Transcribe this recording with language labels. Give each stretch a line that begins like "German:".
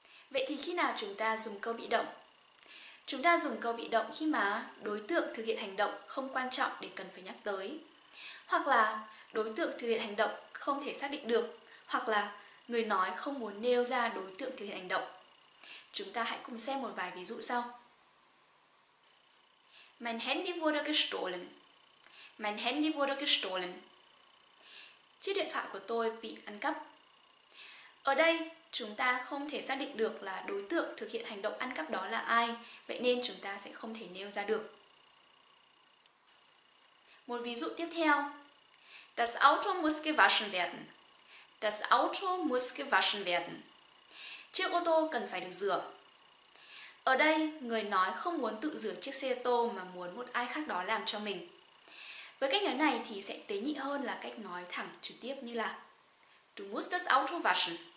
Vietnamese: Vậy thì khi nào chúng ta dùng câu bị động? Chúng ta dùng câu bị động khi mà đối tượng thực hiện hành động không quan trọng để cần phải nhắc tới. Hoặc là đối tượng thực hiện hành động không thể xác định được. Hoặc là người nói không muốn nêu ra đối tượng thực hiện hành động. Chúng ta hãy cùng xem một vài ví dụ sau.
German: Mein Handy wurde gestohlen. Mein Handy wurde gestohlen.
Vietnamese: Chiếc điện thoại của tôi bị ăn cắp. Ở đây, chúng ta không thể xác định được là đối tượng thực hiện hành động ăn cắp đó là ai, vậy nên chúng ta sẽ không thể nêu ra được. Một ví dụ tiếp theo.
German: Das Auto muss gewaschen werden. Das Auto muss gewaschen werden.
Vietnamese: Chiếc ô tô cần phải được rửa. Ở đây, người nói không muốn tự rửa chiếc xe ô tô mà muốn một ai khác đó làm cho mình. Với cách nói này thì sẽ tế nhị hơn là cách nói thẳng trực tiếp như là
German: Du musst das Auto waschen.